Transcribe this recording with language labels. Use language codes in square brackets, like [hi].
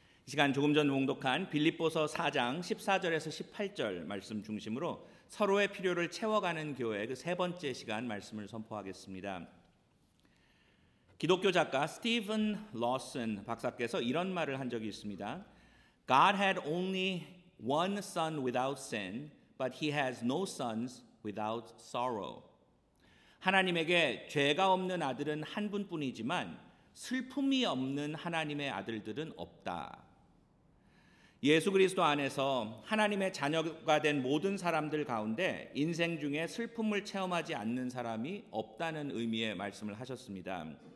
[ko] 시간 조금 전 봉독한 빌립보서 4장 14절에서 18절 말씀 중심으로 서로의 필요를 채워가는 교회 그 세 번째 시간 말씀을 선포하겠습니다. 기독교 작가 스티븐 로슨 박사께서 이런 말을 한 적이 있습니다. [en] God had only one son without sin, but he has no sons without sorrow. [ko] 하나님에게 죄가 없는 아들은 한 분뿐이지만 슬픔이 없는 하나님의 아들들은 없다. 예수 그리스도 안에서 하나님의 자녀가 된 모든 사람들 가운데 인생 중에 슬픔을 체험하지 않는 사람이 없다는 의미의 말씀을 하셨습니다.